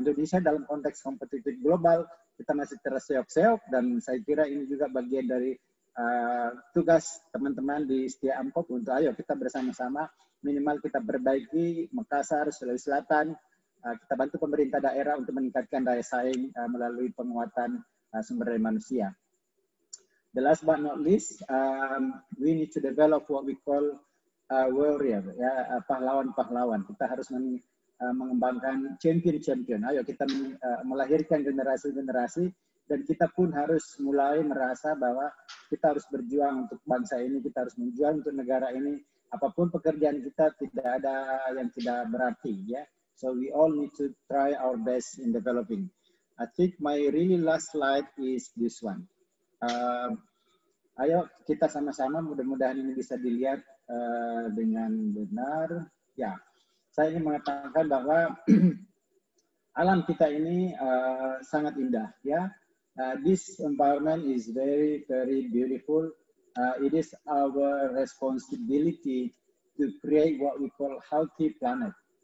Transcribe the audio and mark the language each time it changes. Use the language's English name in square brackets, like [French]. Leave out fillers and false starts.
[Indonesian] Indonesia dalam konteks kompetitif global, kita masih terseok-seok, dan saya kira ini juga bagian dari tugas teman-teman di Setia Amkop untuk ayo kita bersama-sama minimal kita perbaiki Makassar, Sulawesi Selatan, kita bantu pemerintah daerah untuk meningkatkan daya saing melalui penguatan sumber daya manusia. [English] The last but not least, we need to develop what we call warrior, [Indonesian] ya, pahlawan-pahlawan. Kita harus mengembangkan champion-champion. Ayo kita melahirkan generasi-generasi, dan kita pun harus mulai merasa bahwa kita harus berjuang untuk bangsa ini, kita harus berjuang untuk negara ini. Apapun pekerjaan kita, tidak ada yang tidak berarti, ya. [English] So we all need to try our best in developing. I think my really last slide is this one. [Indonesian] Ayo kita sama-sama, mudah-mudahan ini bisa dilihat dengan benar. Ya, saya ingin mengatakan bahwa alam kita ini sangat indah. [English] Ya, this environment is very, very beautiful. It is our responsibility to create what we call healthy planet.